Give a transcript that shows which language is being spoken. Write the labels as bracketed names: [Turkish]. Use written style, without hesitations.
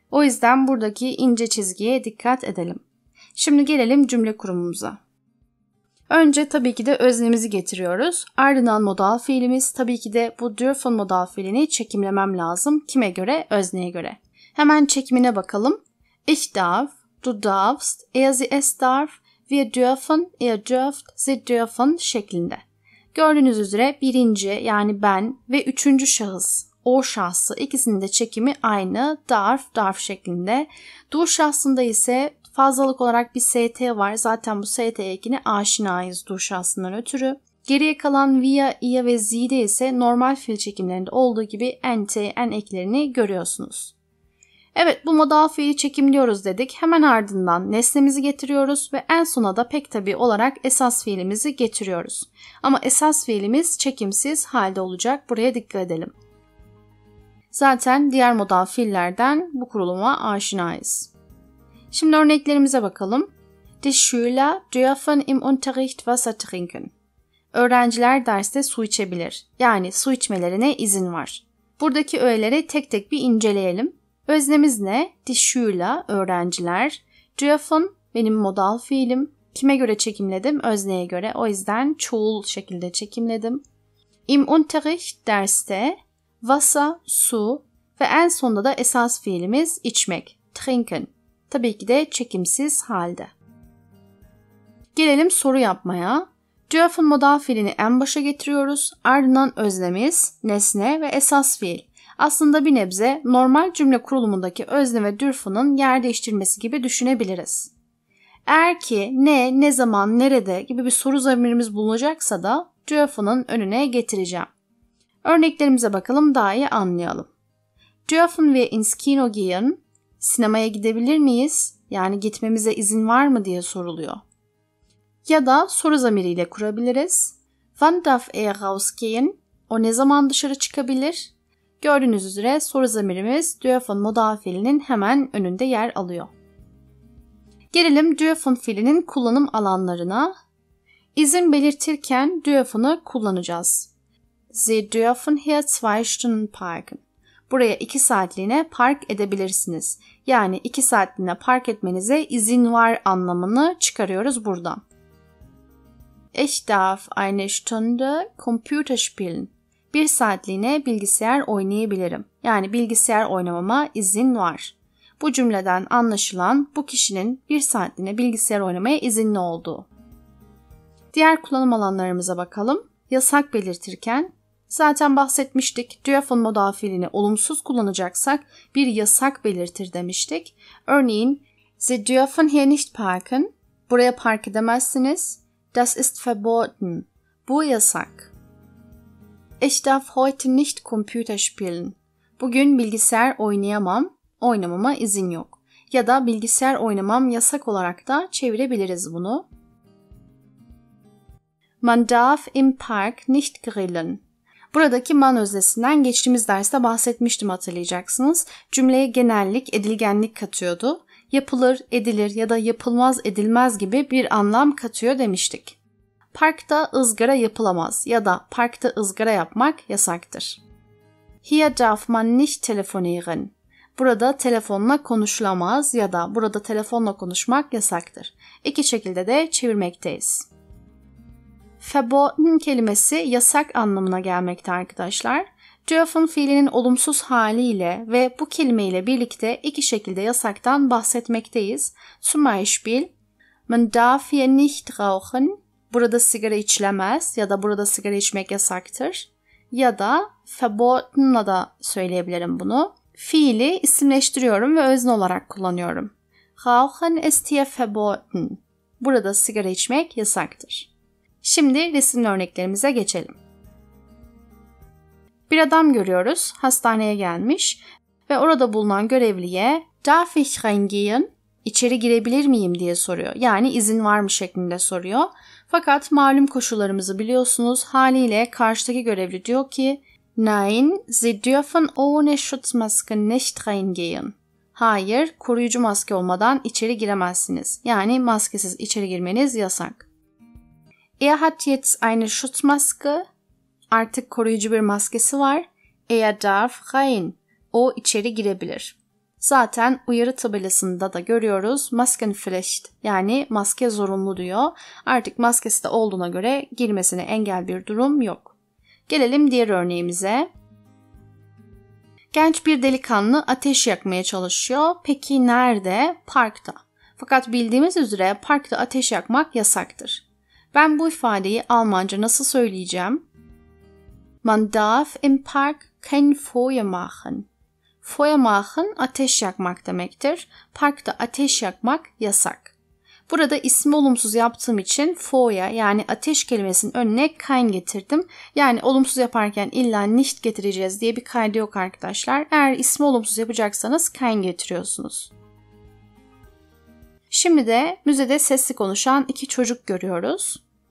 [Turkish] O yüzden buradaki ince çizgiye dikkat edelim. Şimdi gelelim cümle kurumumuza. Önce tabii ki de öznemizi getiriyoruz. Ardından modal fiilimiz, tabii ki de bu do-often modal fiilini çekimlemem lazım. Kime göre? Özneye göre. Hemen çekimine bakalım. [German] Ich darf, du darfst, er, sie, es darf, wir dürfen, ihr dürft, sie dürfen [Turkish] şeklinde. Gördüğünüz üzere birinci yani ben ve üçüncü şahıs, o şahsı, ikisinin de çekimi aynı, darf, darf şeklinde. Du şahsında ise fazlalık olarak bir st var, zaten bu st ekine aşinayız du şahsından ötürü. Geriye kalan via, ia ve z'de ise normal fiil çekimlerinde olduğu gibi nt, n eklerini görüyorsunuz. Evet, bu modal fiili çekimliyoruz dedik. Hemen ardından nesnemizi getiriyoruz ve en sona da pek tabii olarak esas fiilimizi getiriyoruz. Ama esas fiilimiz çekimsiz halde olacak. Buraya dikkat edelim. Zaten diğer modal fiillerden bu kuruluma aşinayız. Şimdi örneklerimize bakalım. [German] Die Schüler dürfen im Unterricht Wasser trinken. [Turkish] Öğrenciler derste su içebilir. Yani su içmelerine izin var. Buradaki öğeleri tek tek bir inceleyelim. Öznemiz ne? [German] Die Schüler, [Turkish] öğrenciler. Dürfen, benim modal fiilim. Kime göre çekimledim? Özneye göre. O yüzden çoğul şekilde çekimledim. [German] Im Unterricht, [Turkish] derste. [German] Wasser, [Turkish] su. Ve en sonunda da esas fiilimiz içmek. [German] Trinken. [Turkish] Tabii ki de çekimsiz halde. Gelelim soru yapmaya. Dürfen modal fiilini en başa getiriyoruz. Ardından öznemiz, nesne ve esas fiil. Aslında bir nebze normal cümle kurulumundaki özne ve dürfen'ın yer değiştirmesi gibi düşünebiliriz. Eğer ki ne, ne zaman, nerede gibi bir soru zamirimiz bulunacaksa da dürfen'ın önüne getireceğim. Örneklerimize bakalım, daha iyi anlayalım. [German] Dürfen wir ins Kino gehen? [Turkish] Sinemaya gidebilir miyiz? Yani gitmemize izin var mı diye soruluyor. Ya da soru zamiriyle kurabiliriz. [German] Wann darf er rausgehen? [Turkish] O ne zaman dışarı çıkabilir? Gördüğünüz üzere soru zamirimiz dürfen modal fiilinin hemen önünde yer alıyor. Gelelim dürfen fiilinin kullanım alanlarına. İzin belirtirken dürfen'ı kullanacağız. [German] Sie dürfen hier zwei Stunden parken. [Turkish] Buraya 2 saatliğine park edebilirsiniz. Yani 2 saatliğine park etmenize izin var anlamını çıkarıyoruz buradan. [German] Ich darf eine Stunde Computer spielen. [Turkish] Bir saatliğine bilgisayar oynayabilirim. Yani bilgisayar oynamama izin var. Bu cümleden anlaşılan bu kişinin bir saatliğine bilgisayar oynamaya izinli olduğu. Diğer kullanım alanlarımıza bakalım. Yasak belirtirken, zaten bahsetmiştik. Dürfen modal fiilini olumsuz kullanacaksak bir yasak belirtir demiştik. Örneğin, [German] Sie dürfen hier nicht parken. [Turkish] Buraya park edemezsiniz. [German] Das ist verboten. [Turkish] Bu yasak. [German] Ich darf heute nicht Computer spielen. [Turkish] Bugün bilgisayar oynayamam, oynamama izin yok. Ya da bilgisayar oynamam yasak olarak da çevirebiliriz bunu. [German] Man darf im Park nicht grillen. [Turkish] Buradaki man öznesinden geçtiğimiz derste bahsetmiştim hatırlayacaksınız. Cümleye genellik, edilgenlik katıyordu. Yapılır, edilir ya da yapılmaz, edilmez gibi bir anlam katıyor demiştik. Parkta ızgara yapılamaz ya da parkta ızgara yapmak yasaktır. [German] Hier darf man nicht telefonieren. [Turkish] Burada telefonla konuşulamaz ya da burada telefonla konuşmak yasaktır. İki şekilde de çevirmekteyiz. Verboten kelimesi yasak anlamına gelmekte arkadaşlar. Dürfen fiilinin olumsuz haliyle ve bu kelimeyle birlikte iki şekilde yasaktan bahsetmekteyiz. [German] Zum Beispiel, man darf hier nicht rauchen. [Turkish] Burada sigara içilemez ya da burada sigara içmek yasaktır. Ya da verboten'la da söyleyebilirim bunu. Fiili isimleştiriyorum ve özne olarak kullanıyorum. [German] Rauchen ist hier verboten. [Turkish] Burada sigara içmek yasaktır. Şimdi resim örneklerimize geçelim. Bir adam görüyoruz, hastaneye gelmiş ve orada bulunan görevliye [German] "Darf ich reingehen?" [Turkish] İçeri girebilir miyim diye soruyor. Yani izin var mı şeklinde soruyor. Fakat malum koşullarımızı biliyorsunuz, haliyle karşıdaki görevli diyor ki [German] "Nein, Sie dürfen ohne Schutzmaske nicht reingehen." [Turkish] Hayır, koruyucu maske olmadan içeri giremezsiniz. Yani maskesiz içeri girmeniz yasak. [German] Er hat jetzt eine Schutzmaske. [Turkish] Artık koruyucu bir maskesi var. [German] Er darf rein. [Turkish] O içeri girebilir. Zaten uyarı tabelasında da görüyoruz. Maskenpflicht. Yani maske zorunlu diyor. Artık maskesi de olduğuna göre girmesine engel bir durum yok. Gelelim diğer örneğimize. Genç bir delikanlı ateş yakmaya çalışıyor. Peki nerede? Parkta. Fakat bildiğimiz üzere parkta ateş yakmak yasaktır. Ben bu ifadeyi Almanca nasıl söyleyeceğim? [German] Man darf im Park kein Feuer machen. Feuer machen [Turkish] ateş yakmak demektir. Parkta ateş yakmak yasak. Burada ismi olumsuz yaptığım için Feuer yani ateş kelimesinin önüne kein getirdim. Yani olumsuz yaparken illa nicht getireceğiz diye bir kaydı yok arkadaşlar. Eğer ismi olumsuz yapacaksanız kein getiriyorsunuz. Şimdi de müzede sesli konuşan iki çocuk görüyoruz.